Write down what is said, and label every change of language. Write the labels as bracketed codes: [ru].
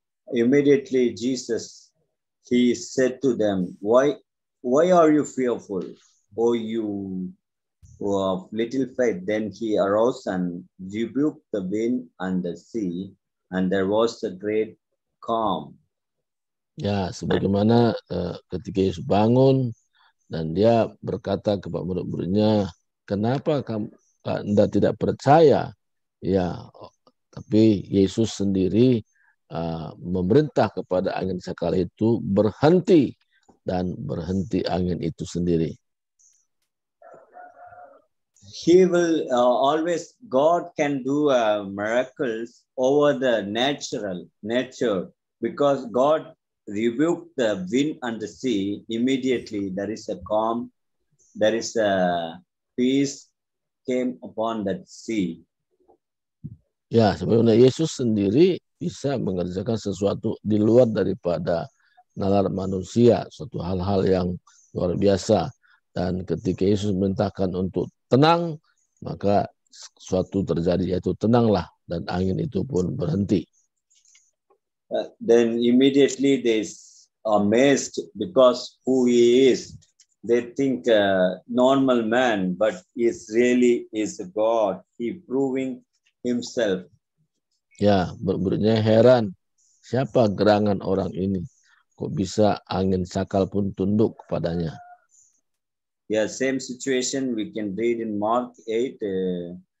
[en] Immediately Jesus, he said to them, why are you fearful? Oh, you of little faith. Then he arose and rebuked the wind and the sea. And there was a great calm. [id] Ya, sebagaimana ketika Yesus bangun dan dia berkata kepada murid-muridnya, kenapa kamu anda tidak percaya? Ya, tapi Yesus sendiri memerintah kepada angin sakal itu berhenti dan berhenti angin itu sendiri. [en] He will always, God can do miracles over the nature because God rebuked the wind and the sea. Immediately there is a calm, there is a peace came upon that sea. [id] Ya, sebenarnya Yesus sendiri bisa mengerjakan sesuatu di luar daripada nalar manusia, suatu hal-hal yang luar biasa. Dan ketika Yesus memerintahkan untuk tenang, maka suatu terjadi, yaitu tenanglah, dan angin itu pun berhenti. [en] Then immediately they are amazed because who he is. They think a normal man, but he really is God. He proving himself. [id] Ya, berikutnya heran. Siapa gerangan orang ini? Kok bisa angin sakal pun tunduk kepadanya? [en] Yeah, same situation we can read in Mark 8:22-25.